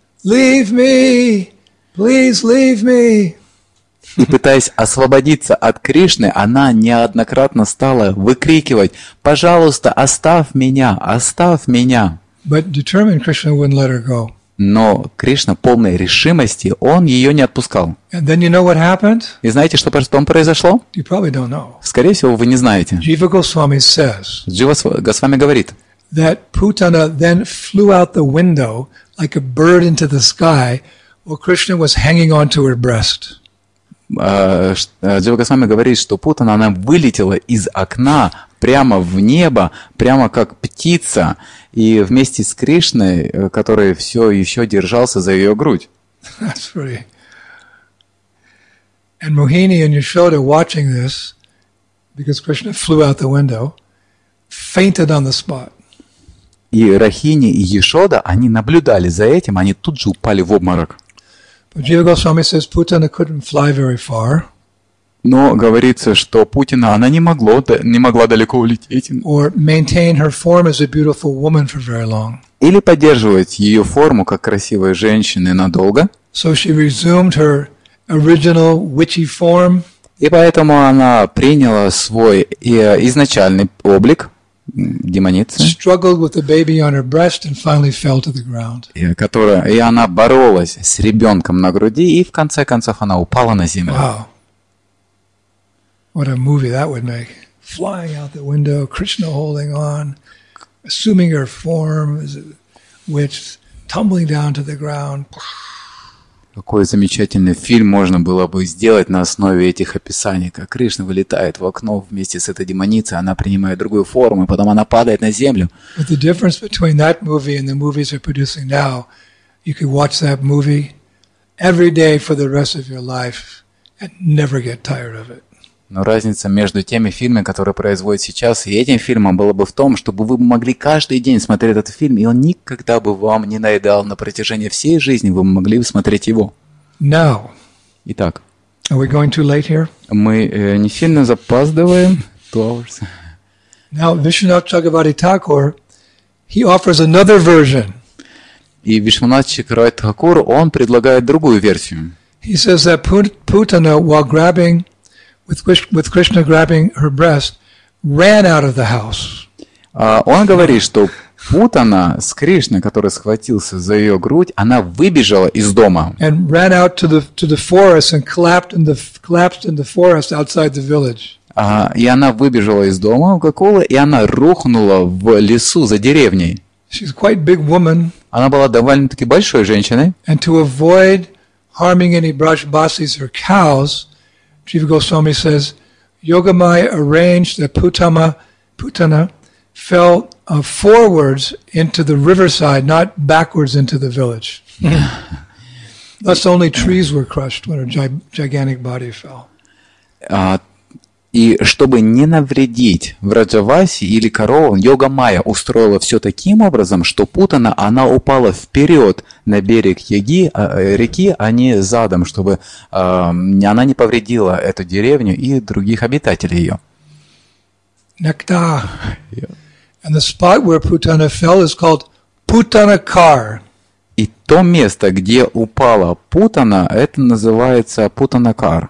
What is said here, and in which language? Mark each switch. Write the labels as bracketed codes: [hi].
[en] Leave me! Please leave me! [ru] И пытаясь освободиться от Кришны, она неоднократно стала выкрикивать, пожалуйста, оставь меня, оставь меня! [en] But determined, Krishna wouldn't let her go. [ru] Но Кришна полной решимости, он ее не отпускал. [en] And then you know what happened? [ru] И знаете, что потом произошло? [en] You probably don't know. [ru] Скорее всего, вы не знаете. [en] Jiva Goswami says, [ru] Jiva Goswami говорит, [en] that Putana then flew out the window like a bird into the sky, while Krishna was hanging on to her breast. [ru] Джива Госвами говорит, что Путана она вылетела из окна прямо в небо, прямо как птица, и вместе с Кришной, который все еще держался за ее грудь. [en] That's pretty. And Mohini and Yashoda watching this, because Krishna flew out the window, fainted on the spot. [ru] И Рахини и Ешода, они наблюдали за этим, они тут же упали в обморок. [en] Jiva Goswami says Putana couldn't fly very far. [ru] Но говорится, что Путина она не могла далеко улететь. [en] Or maintain her form as a beautiful woman for very long. [ru] Или поддерживать ее форму как красивой женщины надолго. [en] So she resumed her original witchy form. [ru] И поэтому она приняла свой изначальный облик. [en] Struggled with the baby on her breast and finally fell to the ground. [ru] И она боролась с ребенком на груди и в конце концов она упала на землю. [en] Wow, what a movie that would make! Flying out the window, Krishna holding on, assuming her form, which tumbling down to the ground. [ru] Какой замечательный фильм можно было бы сделать на основе этих описаний, как Кришна вылетает в окно вместе с этой демоницей, она принимает другую форму, и потом она падает на землю. [en] But the difference between that movie and the movies they're producing now, you could watch that movie every day for the rest of your life and never get tired of it. [ru] Но разница между теми фильмами, которые производят сейчас, и этим фильмом была бы в том, чтобы вы могли каждый день смотреть этот фильм, и он никогда бы вам не наедал на протяжении всей жизни, вы могли бы смотреть его. [en] Now, [ru] итак, [en] are we going too late here? [ru] Мы не сильно запаздываем. [en] Now, Vishwanath Chakravarti Thakur, he offers another version. [ru] И Вишванат Чакравати Тхакур, он предлагает другую версию. [en] He says that Putana, while grabbing with Krishna grabbing her breast, ran out of the house. [ru] Он говорит, что Путана с Кришной, который схватился за ее грудь, она выбежала из дома. [en] And ran out to the forest and collapsed in the forest outside the village. [ru] И она выбежала из дома в Гакулу, и она рухнула в лесу за деревней. [en] She's quite big woman. [ru] Она была довольно-таки большой женщиной. [en] And to avoid harming any brajbasis or cows, Jiva Goswami says, Yogamaya arranged that Putana fell forwards into the riverside, not backwards into the village. Thus only trees were crushed when her gigantic body fell. [ru] И чтобы не навредить Враджаваси или коровам, Йогамайя устроила все таким образом, что Путана, она упала вперед на берег реки, а не задом, чтобы она не повредила эту деревню и других обитателей ее. Некта. [en] And the spot where Putana fell is called Putanakar. [ru] И то место, где упала Путана, это называется Путанакар.